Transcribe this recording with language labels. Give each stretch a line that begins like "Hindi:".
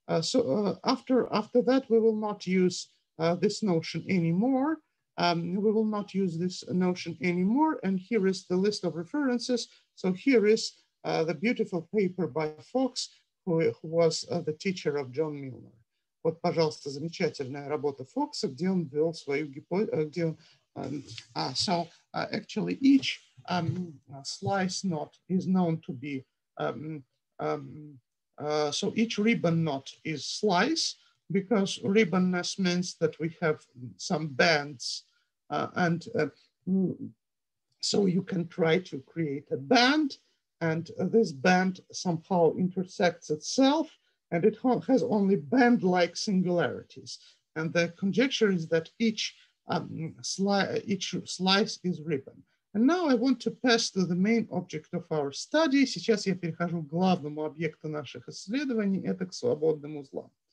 English: So after that, we will not use this notion anymore. We will not use this notion anymore. And here is the list of references. So here is the beautiful paper by Fox, who was the teacher of John Milner.
Russian: Вот, пожалуйста, замечательная работа Фокса, где он ввел свою гипотезу.
English: So actually each slice knot is known to be, so each ribbon knot is slice, because ribbonness means that we have some bands, and so you can try to create a band, and this band somehow intersects itself, and it has only band-like singularities. And the conjecture is that each slice is ribbon. And now I want to pass to the main object of our study.
Russian: Сейчас я перехожу к главному объекту наших исследований, это к свободным узлам.